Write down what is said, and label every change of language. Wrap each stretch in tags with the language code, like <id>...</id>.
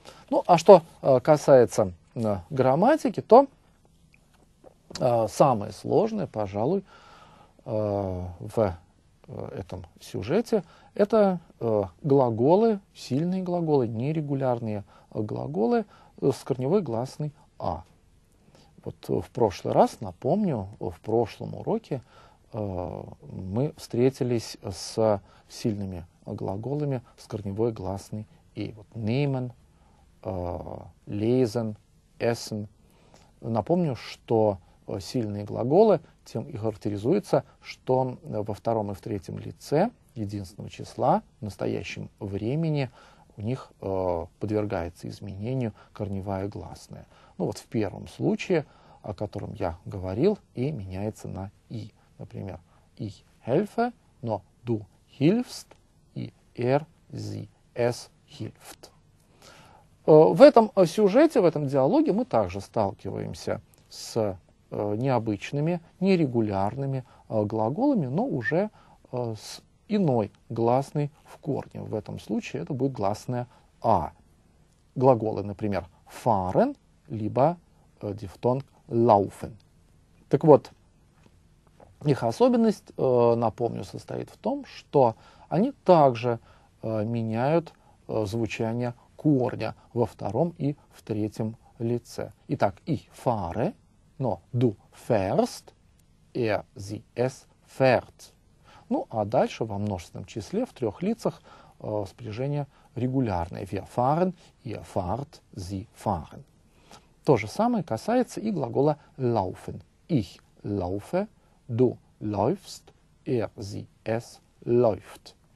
<ru>Ну, а что касается грамматики, то самое сложное, пожалуй, в этом сюжете, это глаголы, сильные глаголы, нерегулярные глаголы с корневой гласной «а». Вот в прошлый раз, напомню, в прошлом уроке мы встретились с сильными глаголами с корневой гласной «и».</ru> <de>Вот «nehmen», «lesen», «essen».</de> <ru>Напомню, что сильные глаголы тем и характеризуются, что во втором и в третьем лице единственного числа в настоящем времени у них подвергается изменению корневая гласная. Ну вот в первом случае, о котором я говорил, «и» меняется на «и». Например, «ich helfe», но «du hilfst» и «er, sie, es hilft». В этом сюжете, в этом диалоге мы также сталкиваемся с необычными, нерегулярными глаголами, но уже с иной гласной в корне. В этом случае это будет гласная «а». Глаголы, например, «fahren» либо дифтонг «laufen». Так вот, их особенность, напомню, состоит в том, что они также меняют звучание корня во втором и в третьем лице.</ru> <de>Итак, «ich fahre», но «du fährst», «er, sie, es fährt».</de> <ru>Ну, а дальше во множественном числе, в трех лицах, спряжение регулярное.</ru> <de>«Wir fahren», «ihr fahrt», «sie fahren».</de> <ru>То же самое касается и глагола «laufen».</ru> <de>«Ich laufe», «du läufst», «er, sie, es läuft».</de>